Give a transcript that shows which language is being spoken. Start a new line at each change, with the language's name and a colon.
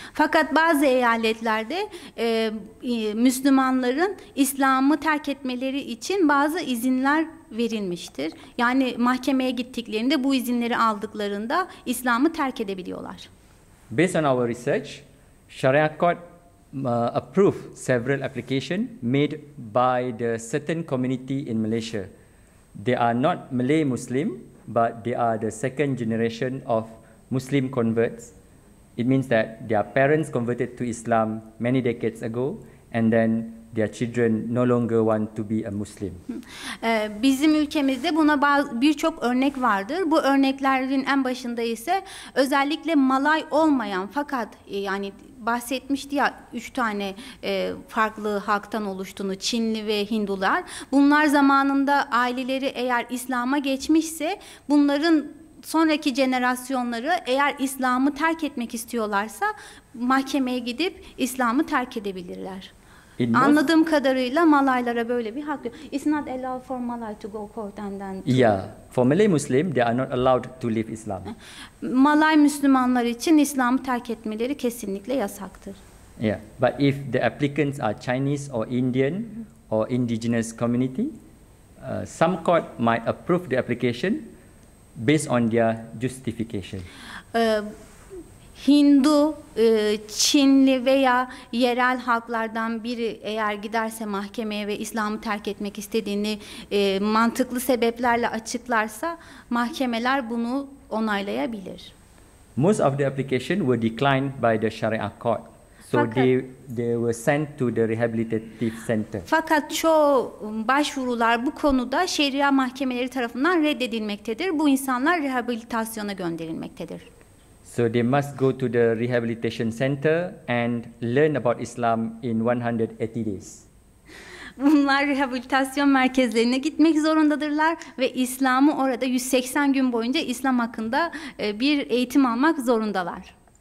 Turkish: Fakat bazı eyaletlerde Müslümanların İslam'ı terk etmeleri için bazı izinler verilmiştir. Yani mahkemeye gittiklerinde bu izinleri aldıklarında İslam'ı terk edebiliyorlar.
English: Based on our research, Sharia court approve several application made by the certain community in Malaysia. They are not Malay Muslim, but they are the second generation of Muslim converts. It means that their parents converted to Islam many decades ago, and then their children no longer want to be a Muslim.
Turkish: Bizim ülkemizde buna birçok örnek vardır. Bu örneklerin en başında ise özellikle Malay olmayan fakat yani bahsetmişti ya üç tane farklı halktan oluştuğunu Çinli ve Hindular. Bunlar zamanında aileleri eğer İslam'a geçmişse bunların sonraki jenerasyonları eğer İslam'ı terk etmek istiyorlarsa mahkemeye gidip İslam'ı terk edebilirler. Anladığım kadarıyla Malaylara böyle bir hak yok.
English: It's not allowed for Malay to go court and then... Yeah, for Malay Muslim, they are not allowed to leave Islam.
Turkish: Malay Müslümanlar için İslam'ı terk etmeleri kesinlikle yasaktır.
English: Yeah, but if the applicants are Chinese or Indian or indigenous community, some court might approve the application based on their justification.
Turkish: Hindu, Çinli veya yerel halklardan biri eğer giderse mahkemeye ve İslam'ı terk etmek istediğini mantıklı sebeplerle açıklarsa mahkemeler bunu onaylayabilir.
English: Most of the application were declined by the Sharia court. So they were sent to the rehabilitative center.
Turkish: Fakat çoğu başvurular bu konuda şeria mahkemeleri tarafından reddedilmektedir. Bu insanlar rehabilitasyona gönderilmektedir.
English: So they must go to the rehabilitation center and learn about Islam in 180 days.
Turkish: Bunlar rehabilitasyon merkezlerine gitmek zorundadırlar ve İslam'ı orada 180 gün boyunca İslam hakkında bir eğitim almak zorundalar.